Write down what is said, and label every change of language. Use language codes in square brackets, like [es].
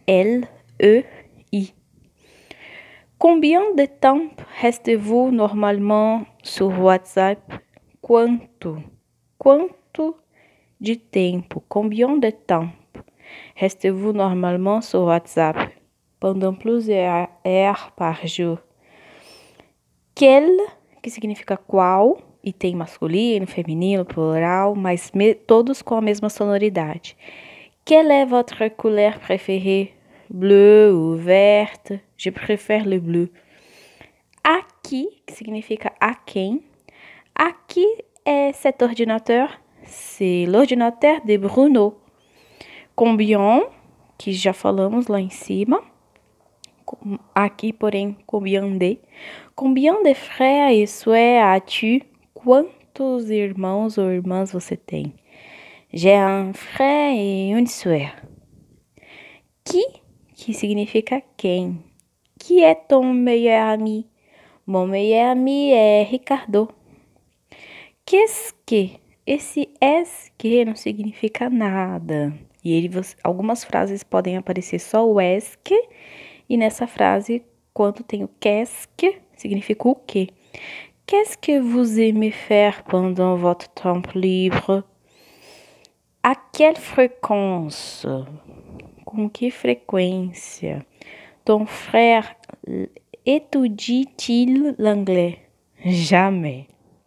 [fr] A-R-L-E-I. Combien de temps restez-vous normalement sur WhatsApp? [pt] Quanto? Quanto de tempo? [fr] Combien de temps restez-vous normalement sur WhatsApp? Pendant plusieurs heures par jour. [pt] Quel, que significa qual, e tem masculino, feminino, plural, mas todos com a mesma sonoridade. [fr] Quel est votre couleur préférée? Bleu ou verte? Je préfère le bleu. A qui, [pt] que significa a quem? [fr] A qui [pt] é [fr] cet ordinateur? C'est l'ordinateur de Bruno. [pt] Combien, que já falamos lá em cima. Aqui, porém, combien de. [fr] Combien de frères et sœurs as-tu? [pt] Quantos irmãos ou irmãs você tem? [fr] J'ai un frère et une sœur. Qui [pt] significa quem? [fr] Qui est ton meilleur ami? Mon meilleur ami [pt] é [fr] Ricardo. Qu'est-ce que? [pt] Esse est-ce que não significa nada. E ele, algumas frases podem aparecer só o est-ce que. E nessa frase, quando tem o qu'est-ce que, significa o quê. [fr] Qu'est-ce que vous aimez faire pendant votre temps libre? À quelle fréquence? [pt] Com que frequência? [fr] Ton frère étudie-t-il l'anglais? Jamais.